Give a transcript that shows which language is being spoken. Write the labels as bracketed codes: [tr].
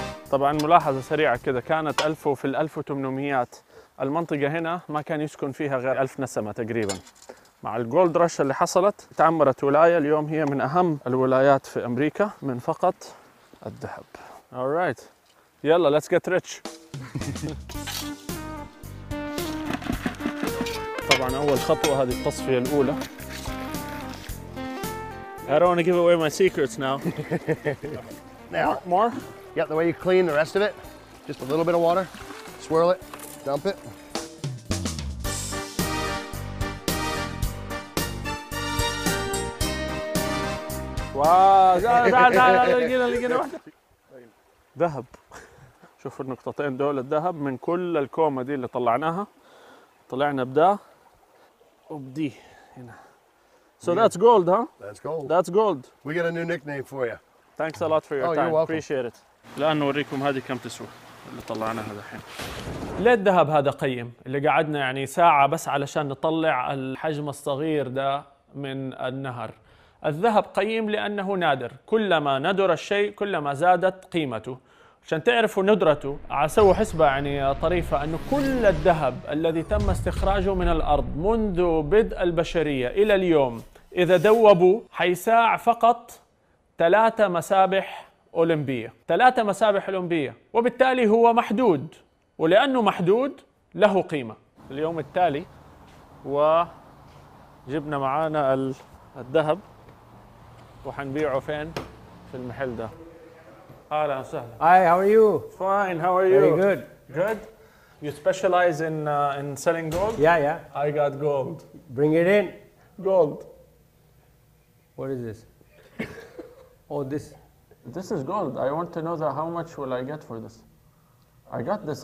[ar] طبعا ملاحظة سريعة كذا، كانت ألف وفي 1800 المنطقة هنا ما كان يسكن فيها غير 1000 نسمة تقريبا. مع الجولد رش اللي حصلت تعمرت ولاية اليوم هي من أهم الولايات في أمريكا من فقط الذهب. [en] alright [ar] يلا [en] let's get rich. [ar] طبعا أول خطوة هذه التصفية الأولى. [en] I don't want to give away my secrets now. more. Yeah, the way you clean the rest of it, just a little bit of water, swirl it, dump it. [ar] واو، تعال تعال لقينا لقينا واحدة ذهب. شوفوا النقطتين دول الذهب من كل الكومة دي اللي طلعناها، طلعنا بدا وبدي هنا. [en] So that's gold, huh? That's gold. That's gold. We got a new nickname for you. Thanks a lot for your time. You're welcome. Appreciate it. [ar] الآن نوريكم هذه كم تسوى اللي طلعناها الحين. ليه الذهب هذا قيم؟ اللي قعدنا يعني ساعة بس علشان نطلع الحجم الصغير ده من النهر. الذهب قيم لأنه نادر، كلما ندر الشيء كلما زادت قيمته. عشان تعرفوا ندرته عسوا حسبة يعني طريفة، أنه كل الذهب الذي تم استخراجه من الأرض منذ بدء البشرية إلى اليوم إذا دوبوا حيساع فقط 3 مسابح أولمبية، 3 مسابح أولمبية، وبالتالي هو محدود، ولأنه محدود له قيمة. اليوم التالي وجبنا معانا الذهب وحنبيعه فين؟ في المحل ده. أهلا وسهلا. [en] Hi, how are you? Fine, how are you? Very good. Good? You specialize in selling gold? Yeah, yeah. I got gold. Bring it in. Gold. What is this? Oh, this. This is gold. I want to know that how much will I get for this? I got this.